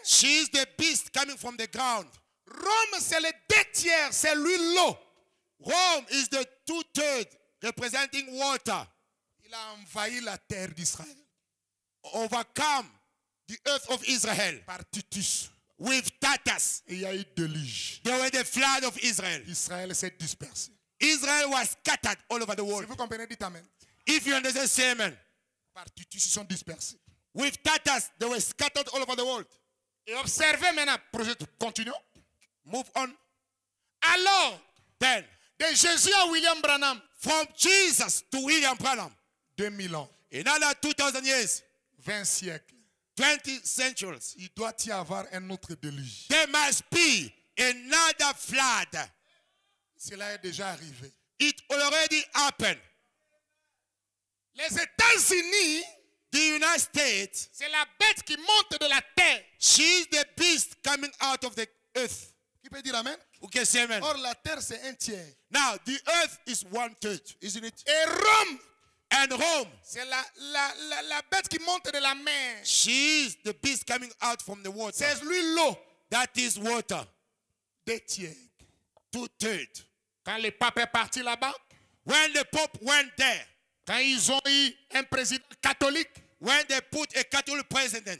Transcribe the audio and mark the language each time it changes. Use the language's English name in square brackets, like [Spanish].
[English] She is the beast coming from the ground. [French] Rome, c'est le deux tiers, c'est lui l'eau. [English] Rome is the two thirds representing water. [French] Il a envahi la terre d'Israël. [English] Overcome the earth of Israel. [French] Par Titus. [English] With Titus. [French] Il y a eu déluge. [English] There was the flood of Israel. [French] Israël s'est dispersé. [English] Israel was scattered all over the world. [French] Si vous comprenez, dites amen. [English] If you understand, say amen. [French] Par Titus, ils sont dispersés. [English] With Titus, they were scattered all over the world. [French] Et observez maintenant, projet continue. [English] Move on. [French] Alors, [English] then, [French] de Jésus à William Branham, [English] from Jesus to William Branham, [French] 2000 ans, [English] in another 2000 years, [French] 20 siècles, [English] 20 centuries, [French] il doit y avoir un autre déluge. [English] There must be another flood. [French] Cela est déjà arrivé. [English] It already happened. [French] Les États-Unis, [English] the United States, [French] c'est la bête qui monte de la terre. [English] She is the beast coming out of the earth. [French] Qui peut dire amen? [English] Okay, say amen. [French] Or la terre c'est un tiers. [English] Now the earth is one third, isn't it? [French] Et Rome, [English] and Rome, [French] c'est la bête qui monte de la mer. [English] She is the beast coming out from the water. [French] C'est lui l'eau. [English] That is water. [French] Des tiers. [English] Two third. [French] Quand le pape est parti là-bas, [English] when the pope went there, [French] quand ils ont eu un président catholique, [English] when they put a Catholic president,